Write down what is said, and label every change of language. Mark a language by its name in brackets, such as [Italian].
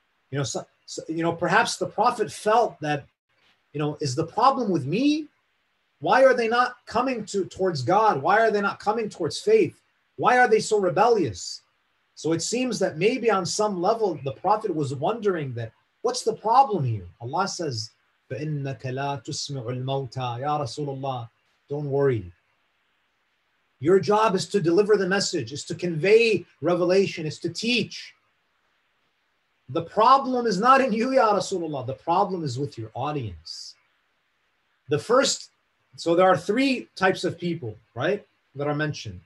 [English] You know, so, perhaps the Prophet felt that, you know, is the problem with me? Why are they not coming towards God? Why are they not coming towards faith? Why are they so rebellious? So it seems that maybe on some level, the Prophet was wondering that, what's the problem here? Allah says, [Arabic] فَإِنَّكَ لَا تُسْمِعُ الْمَوْتَى. [English] Ya Rasulullah, don't worry. Your job is to deliver the message, is to convey revelation, is to teach. The problem is not in you, Ya Rasulullah. The problem is with your audience. The first, so there are three types of people, right? that are mentioned.